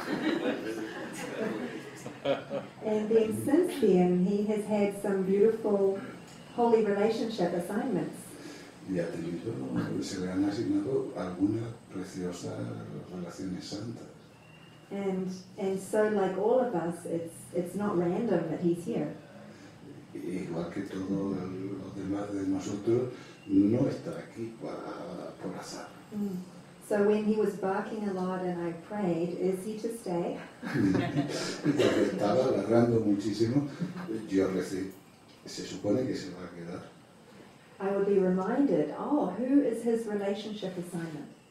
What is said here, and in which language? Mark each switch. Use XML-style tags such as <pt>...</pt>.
<en>And then since then, he has had some beautiful holy relationship assignments.</en> <es>Y ha tenido, se le han asignado algunas preciosas relaciones santas.</es> <en>And so, like all of us, it's not random that he's here.</en> <es>Y igual que todos los demás de nosotros, no está aquí por azar. Mm.</es> <en>So when he was barking a lot and I prayed, is he to stay?</en> <es>Porque estaba ladrando muchísimo, yo recé, se supone que se va a quedar.</es> <en>I would be reminded, oh, who is his relationship assignment?</en>